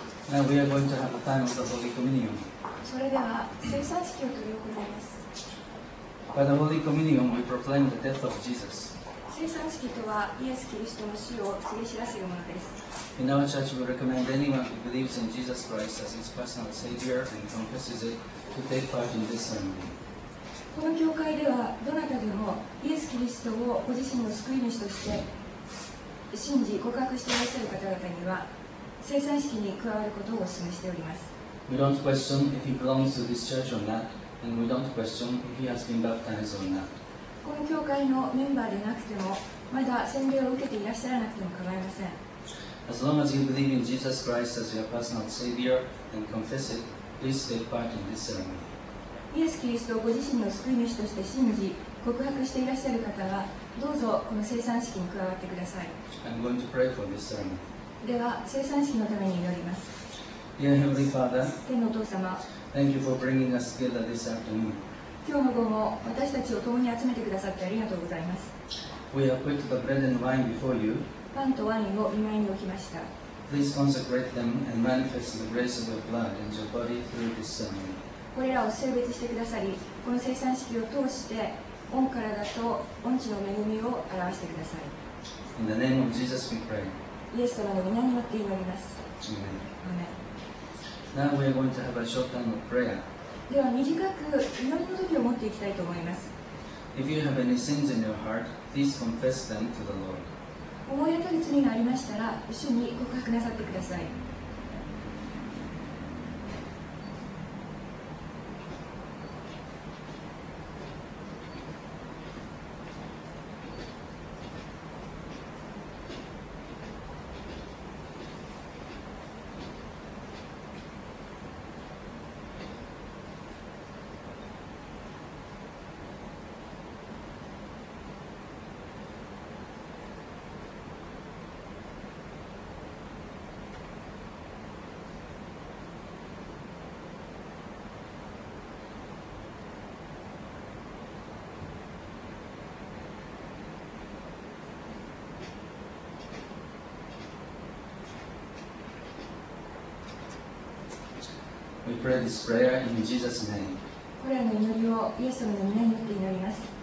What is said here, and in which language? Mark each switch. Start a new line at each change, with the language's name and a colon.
English: Now we are going to have the time of the Holy Communion.
Japanese: それでは聖餐式を執り行います。
English: By the Holy Communion, we proclaim the death of Jesus.
Japanese: 聖餐式とはイエス・キリストの死を告げ知らせるものです。
English: In our church, we recommend anyone who believes in Jesus Christ as his personal Savior and confesses it to take part in this ceremony.
Japanese: この教会では、どなたでもイエス・キリストをご自身の救い主として信じ、告白していらっしゃる方々には、聖餐式に加わることをお勧めしております。
English: We don't question if he belongs to this church or not. And we don't question if he has been baptized or not.
Japanese: この教会のメンバーでなくても、まだ洗礼を受けていらっしゃらなくても構いません。
English: As long as you believe in Jesus Christ as your personal Savior and confess it, please take part in this ceremony.
Japanese: イエス・キリストをご自身の救い主として信じ、告白していらっしゃる方は、どうぞこの聖餐式に加わってください。
English: I'm going to pray for this ceremony.
Japanese: では、聖餐式のために祈ります。
English: Dear Heavenly Father,
Japanese: 天のお父様、
English: Thank you for bringing us together this afternoon.
Japanese: 今日の午後、私たちを共に集めてくださってありがとうございます。
English: We have put the bread and wine before you.
Japanese: パンとワインを御前に置きました。
English: Please consecrate them and manifest the grace of your blood and your body through this ceremony.
Japanese: これらを聖別してくださり、この聖餐式を通して、御体と御血の恵みを表してください。
English: In the name of Jesus we pray.
Japanese: イエス様の御名によって祈ります。
English: Amen.
Japanese: Amen.
English: Now we are going to have a short time of prayer.
Japanese: では短く祈りの時を持っていきたいと思います。
English: If you have any sins in your heart, please confess them to the Lord.
Japanese: 思い当たる罪がありましたら、一緒に告白なさってください。
English: We pray this prayer in Jesus' name.
Japanese: これらの祈りをイエス様の御名によって祈ります。